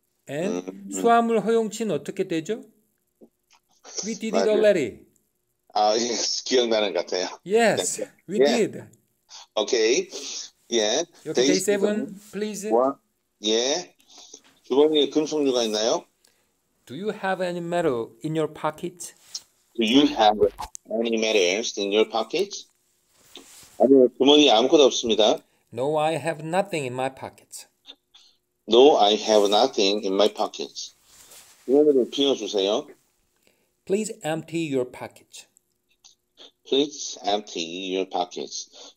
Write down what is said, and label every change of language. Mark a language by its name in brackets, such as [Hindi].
[Korean] And 수화물 허용치는 어떻게 되죠? [English] We did it already. [Korean] Yes, 기억나는 것 같아요. [English] Yes, we did. Okay, yeah. Day 7, please. One. Yeah. [Korean] 주머니에 금속류가 있나요? [English] Do you have any metal in your pocket? Do you have any metals in your pocket? [Korean] 아니요, 주머니에 아무것도 없습니다. [English] No, I have nothing in my pocket. No, I have nothing in my pocket. [Korean] 주머니를 비워주세요. [English] Please empty your pocket. Please empty your pockets.